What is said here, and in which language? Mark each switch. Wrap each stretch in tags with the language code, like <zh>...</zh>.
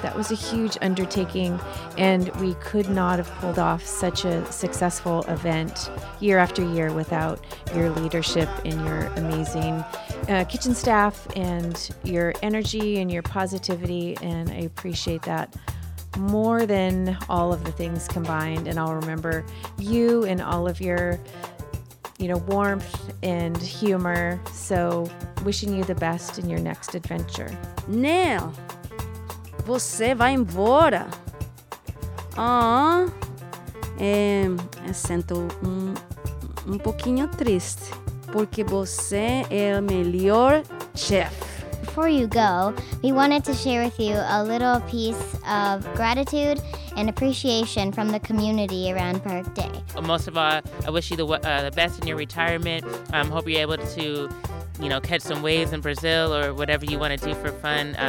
<en>That was a huge undertaking, and we could not have pulled off such a successful event year after year without your leadership and your amazing kitchen staff and your energy and your positivity, and I appreciate that more than all of the things combined. And I'll remember you and all of your warmth and humor. So wishing you the best in your next adventure.</en> <pt>Nel, você vai embora. Eu sinto um pouquinho triste, porque você é o melhor chef.</pt> <en>Before you go, we wanted to share with you a little piece of gratitude and appreciation from the community around Park Day. Most of all, I wish you the best in your retirement. Hope you're able to, catch some waves in Brazil or whatever you want to do for fun.</en>